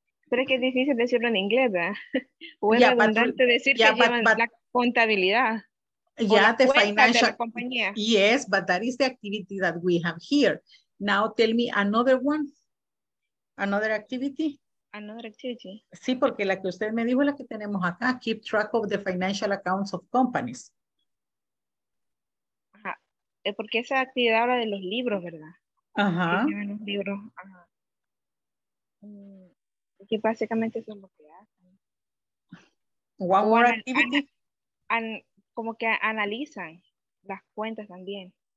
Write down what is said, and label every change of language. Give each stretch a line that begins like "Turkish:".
Spanish: Pero es que es difícil decirlo en inglés, ¿verdad? O es redundante decir que llevan la contabilidad.
English: Yeah, the financial compañía. Yes, but that is the activity that we have here. Now tell me another one. Another activity. Another activity.
Spanish: Sí, porque la que usted me dijo es la que tenemos acá.
English: Keep track of the financial accounts of companies. Ajá.
Spanish: Es porque esa actividad habla de los libros, ¿verdad? Ajá. Los libros. Ajá. Que básicamente son lo que hacen.
English: One more activity.
Spanish: Como que analizan las cuentas también.